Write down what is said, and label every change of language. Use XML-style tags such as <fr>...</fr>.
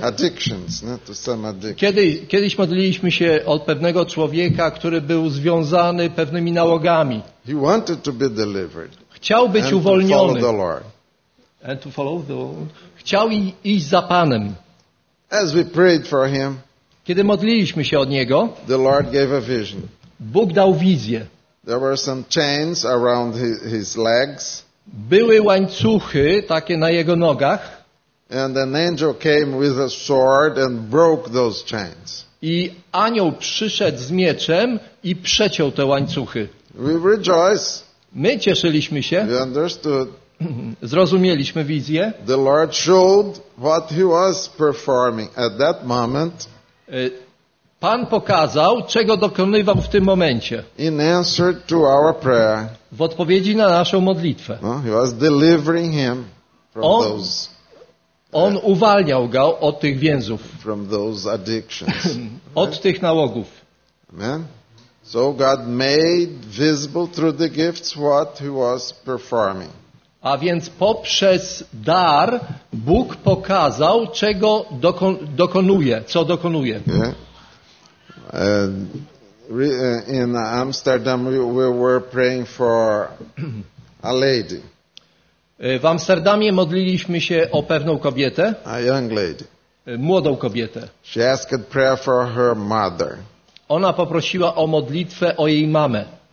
<en>Addictions, no, to some addictions.</en> <pl>Kiedyś modliliśmy się o pewnego człowieka, który był związany pewnymi nałogami.</pl> <en>He wanted to be delivered.</en> <pl>Chciał być uwolniony.</pl> <en>And to follow the Lord. And to follow the Lord.</en> <pl>Chciał iść za Panem.</pl> <en>As we prayed for him.</en> <pl>Kiedy modliliśmy się o niego.</pl> <en>The Lord gave a vision.</en> <pl>Bóg dał wizję.</pl> <en>There were some chains around his legs.</en> <pl>Były łańcuchy takie na jego nogach.</pl> <en>And an angel came with a sword and broke those chains.</en> <pl>I anioł przyszedł z mieczem i przeciął te łańcuchy.</pl> <en>We rejoice.</en> <pl>My cieszyliśmy się.</pl> <en>We understood.</en> <pl>Zrozumieliśmy wizję.</pl> <en>The Lord showed what he was performing at that moment.</en> <pl>Pan pokazał, czego dokonywał w tym momencie.</pl> <en>In answer to our prayer.</en> <pl>W odpowiedzi na naszą modlitwę.</pl> <en>No, he was delivering him from those.</en> <pl>On uwalniał go od tych więzów.</pl> <en>From those addictions.</en> <pl>Od tych nałogów. Amen.</pl> <en>So God made visible through the gifts what he was performing.</en> <pl>A więc poprzez dar Bóg pokazał, czego dokonuje, co dokonuje.</pl> <en>Yeah. In Amsterdam we were praying for a lady.</en> <pl>W Amsterdamie modliliśmy się o pewną kobietę.</pl> <en>A young lady.</en> <pl>Młodą kobietę.</pl> <en>She asked prayer for her mother.</en> <pl>Ona poprosiła o modlitwę o jej mamę.</pl>